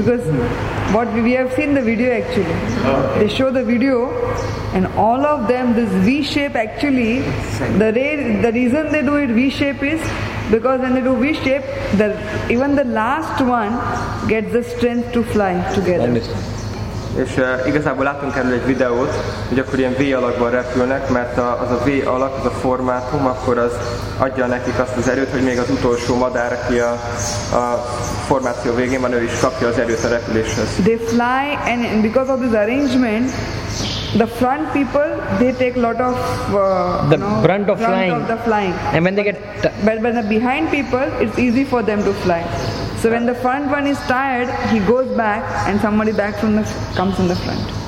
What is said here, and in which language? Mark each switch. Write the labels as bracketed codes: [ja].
[en] Because what we have seen the video actually. They show the video, and all of them, this V shape actually, the reason they do it V shape is because when they do V shape, even the last one gets the strength to fly together. [hu] És igazából látunk erről egy videót, hogy akkor ilyen V alakban repülnek, mert az a V alak, az a formátum, akkor az adja nekik azt az erőt, hogy még az utolsó madár, aki a formáció végén van, ő is kapja az erőt a repüléshez. [en] They fly, and because of this arrangement, the front people, they take lot of brunt of the flying. And when they get but when the behind people, it's easy for them to fly. So when the front one is tired, he goes back and somebody back from the comes in the front.